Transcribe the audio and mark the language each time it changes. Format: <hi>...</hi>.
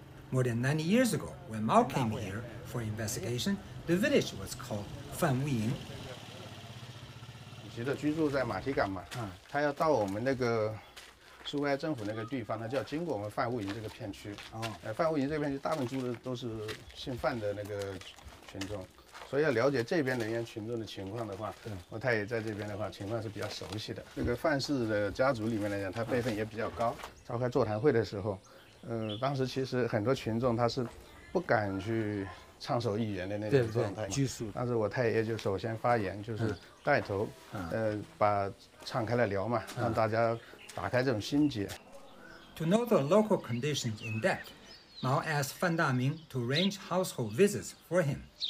<en>More than 90 years ago, when Mao came here for investigation, the village was called Fan Wuying.</en> <zh>所以要了解这边人员群众的情况的话，我太爷在这边的话，情况是比较熟悉的。这个范氏的家族里面来讲，他辈分也比较高，召开座谈会的时候，当时其实很多群众他是不敢去唱首议员的那种状态，但是我太爷就首先发言，就是带头把敞开了聊嘛，让大家打开这种心结。</zh> <en>To know the local conditions in depth, Mao asked Fan Daming to arrange household visits for him.</en>